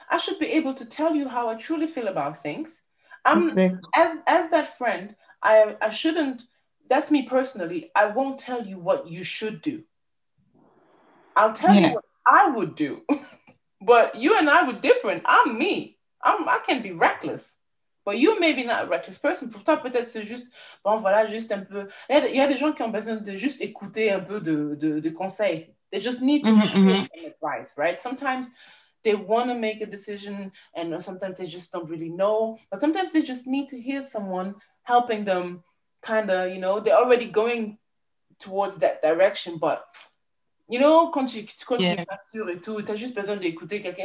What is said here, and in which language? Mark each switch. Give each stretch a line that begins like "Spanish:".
English: I should be able to tell you how I truly feel about things. As that friend, I shouldn't, that's me personally, I won't tell you what you should do. I'll tell you what I would do, but you and I were different. I'm me. I can be reckless, but you maybe not a reckless person.
French: For toi, peut-être c'est juste bon, voilà, juste un peu. Il y a des gens qui ont besoin de juste écouter un peu de conseils.
English: They just need to hear advice, right? Sometimes they want to make a decision, and sometimes they just don't really know. But sometimes they just need to hear someone helping them. Kind of, you know, they're already going towards that direction, but. You know,
French: quand tu pas sûr et tout, t'as juste besoin d'écouter quelqu'un.